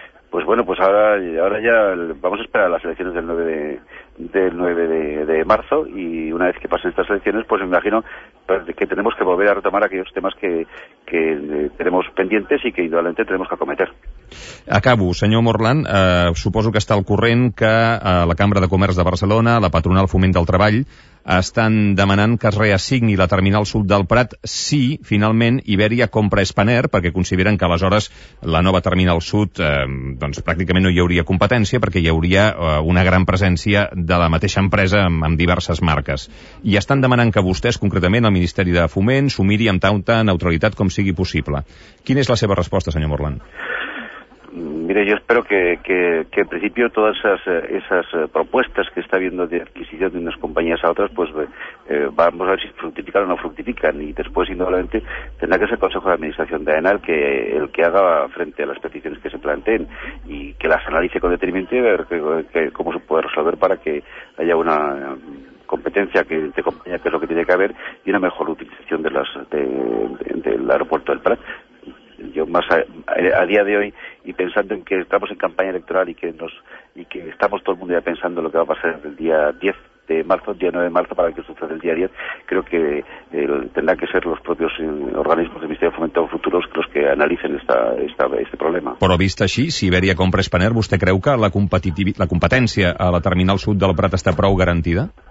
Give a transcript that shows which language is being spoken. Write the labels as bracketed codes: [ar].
[es] Pues bueno, pues ahora ya vamos a esperar las elecciones del 9 de marzo y una vez que pasen estas elecciones, pues me imagino que tenemos que volver a retomar aquellos temas que tenemos pendientes y que indudablemente tenemos que acometer. [ca] Acabo, senyor Morlán, suposo que està al corrent que la Cambra de Comerç de Barcelona, la patronal Foment del Treball, estan demanant que es reassigni la terminal sud del Prat si, finalment, Iberia compra Spanair, perquè consideren que, aleshores, la nova terminal sud, doncs, pràcticament no hi hauria competència, perquè hi hauria una gran presència de la mateixa empresa amb diverses marques. I estan demanant que vostès, concretament, el Ministeri de Foment, s'ho miri amb tanta neutralitat com sigui possible. Quina és la seva resposta, senyor Morlán? [es] Mire, yo espero que en principio todas esas propuestas que está habiendo de adquisición de unas compañías a otras, pues vamos a ver si fructifican o no fructifican, y después indudablemente tendrá que ser el Consejo de Administración de AENA el que haga frente a las peticiones que se planteen y que las analice con detenimiento y ver cómo se puede resolver para que haya una competencia que te acompaña, que es lo que tiene que haber, y una mejor utilización de las del aeropuerto del Prat. Yo más a día de hoy, y pensando en que estamos en campaña electoral y que nos y que estamos todo el mundo ya pensando lo que va a pasar el día 10 de marzo, día 9 de marzo, para que suceda el día 10, creo que tendrán que ser los propios organismos del Ministerio de Fomento Futuros los que analicen este problema. [ca] Però vist així, si Iberia compra Spanair, vostè creu que la competència a la terminal sud del Prat està prou garantida?